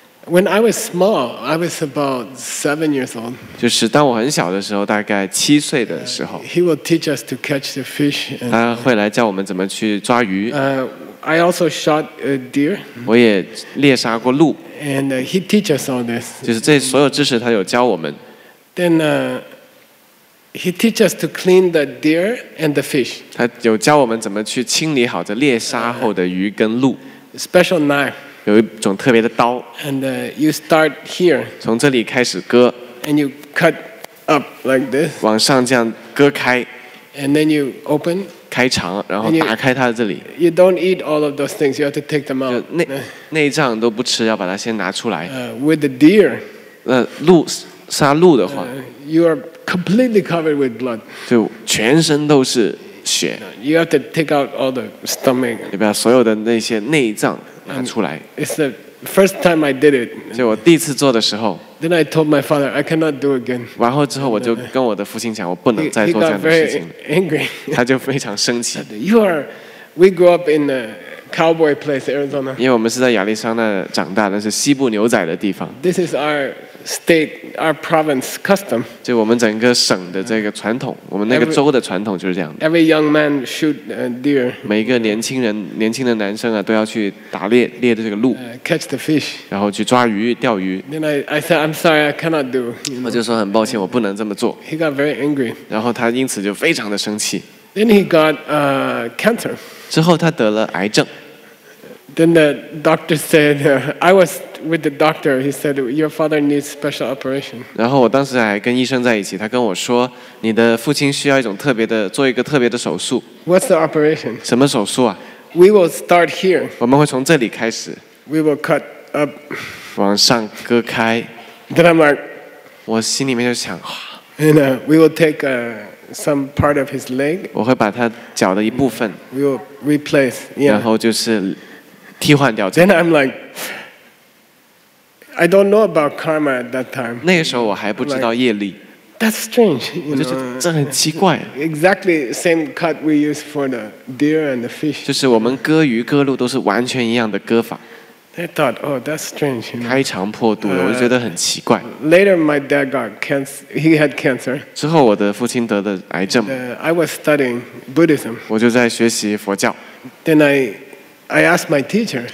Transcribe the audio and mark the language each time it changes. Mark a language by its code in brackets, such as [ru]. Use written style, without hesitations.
[en] When I was small, I was about 7 years old. [zh] 就是当我很小的时候，大概七岁的时候。 [en] He will teach us to catch the fish. [zh] 他会来教我们怎么去抓鱼。 [en] I also shot a deer. [zh] 我也猎杀过鹿。 [en] And he teach us all this. [zh] 就是这所有知识他有教我们。 [en] Then he teach us to clean the deer and the fish. [zh] 他有教我们怎么去清理好这猎杀后的鱼跟鹿。 [en] Special knife. [zh] 有一种特别的刀。 [en] And you start here. [zh] 从这里开始割。 [en] And you cut up like this. [zh] 往上这样割开。 [en] And then you open. [zh] 开肠，然后打开它的这里。 [en] You don't eat all of those things. You have to take them out. [zh] 内脏都不吃，要把它先拿出来。 [en] With the deer. [zh] 鹿杀鹿的话。 [en] You are completely covered with blood. [zh] 就全身都是血。 [en] You have to take out all the stomach. [zh] 你把所有的那些内脏。拿出来。 [en] It's the first time I did it. [zh] 就我第一次做的时候。 [en] Then I told my father I cannot do again. [zh] 完后之后我就跟我的父亲讲，我不能再做这样的事情。 [en] He got very angry. [zh] 他就非常生气。 [en] We grew up in a cowboy place, Arizona. [zh] 因为我们是在亚利桑那长大，那是西部牛仔的地方。 [en] This is our state, our province custom. [zh] 就我们整个省的这个传统，我们那个州的传统就是这样的。 [en] Every young man shoot a deer. [zh] 每一个年轻人，年轻的男生啊，都要去打猎，猎的这个鹿。 [en] Catch the fish. [zh] 然后去抓鱼，钓鱼。 [en] Then I said, I'm sorry, I cannot do. [zh] 我就说很抱歉，我不能这么做。 [en] He got very angry. [zh] 然后他因此就非常的生气。 [en] Then he got cancer. [zh] 之后他得了癌症。 [en] Then the doctor said, I was with the doctor. He said, your father needs special operation. [zh] 然后我当时还跟医生在一起，他跟我说，你的父亲需要一种特别的，做一个特别的手术。 [en] What's the operation? [zh] 什么手术啊？ [en] We will start here. [zh] 我们会从这里开始。 [en] We will cut up. [zh] 往上割开。 [en] Then I'm like, [zh] 我心里面就想，哇。 [en] And we will take a. Some part of his leg. [zh] 我会把他脚的一部分。 [en] We will replace. Yeah. [zh] 然后就是替换掉。 [en] Then I'm like, I don't know about karma at that time. [zh] 那个时候我还不知道业力。 [en] That's strange. Exactly the same cut we use for the deer and the fish. [zh] 就是我们割鱼割鹿都是完全一样的割法。 [en] I thought, oh, that's strange. [zh] 开肠破肚，我就觉得很奇怪。 [en] Later, my dad got cancer. He had cancer. [zh] 之后，我的父亲得了癌症。 [en] I was studying Buddhism. [zh] 我就在学习佛教。 [en] Then I asked my teacher.